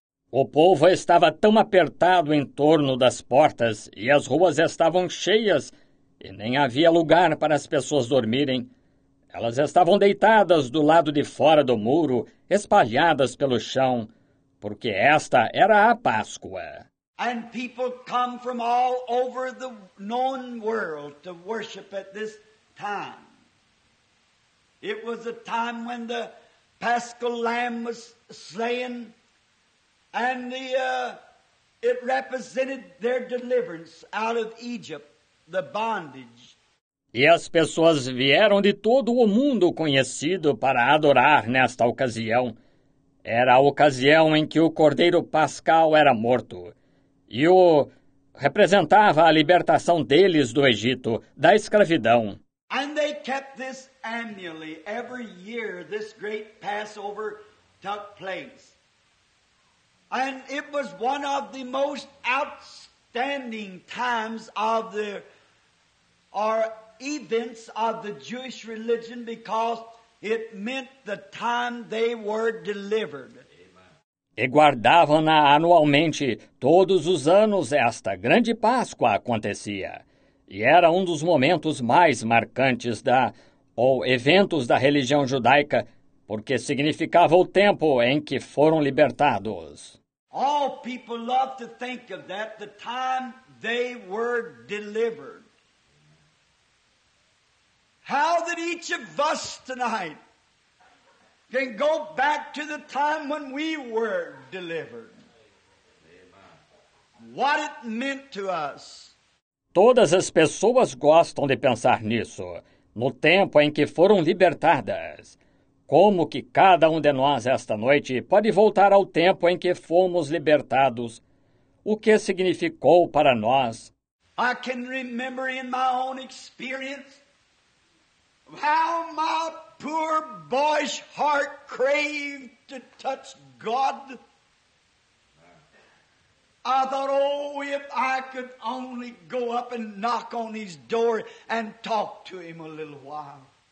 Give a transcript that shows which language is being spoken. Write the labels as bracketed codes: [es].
[pt] O povo estava tão apertado em torno das portas e as ruas estavam cheias e nem havia lugar para as pessoas dormirem. Elas estavam deitadas do lado de fora do muro, espalhadas pelo chão, porque esta era a Páscoa. [en] And people come from all over the known world to worship at this time. It was a time when the Paschal Lamb was slain, and it represented their deliverance out of Egypt, the bondage. [pt] E as pessoas vieram de todo o mundo conhecido para adorar nesta ocasião. Era a ocasião em que o Cordeiro Pascal era morto. E o representava a libertação deles do Egito, da escravidão. E eles [en] kept this annually. Every year this great Passover took place. And it was one of the most outstanding times of the events of the Jewish religion because it meant the time they were delivered. [pt] E guardavam-na anualmente, todos os anos esta grande Páscoa acontecia. E era um dos momentos mais marcantes da ou eventos da religião judaica, porque significava o tempo em que foram libertados. [en] All people love to think of that, the time they were delivered. How that each of us tonight can go back to the time when we were delivered. What it meant to us. [pt] Todas as pessoas gostam de pensar nisso, no tempo em que foram libertadas. Como que cada um de nós esta noite pode voltar ao tempo em que fomos libertados? O que significou para nós? [en] I can remember in my own experience how my poor boy's heart craved to touch God. I thought, oh, if I could only go up and knock on his door and talk to him a little while.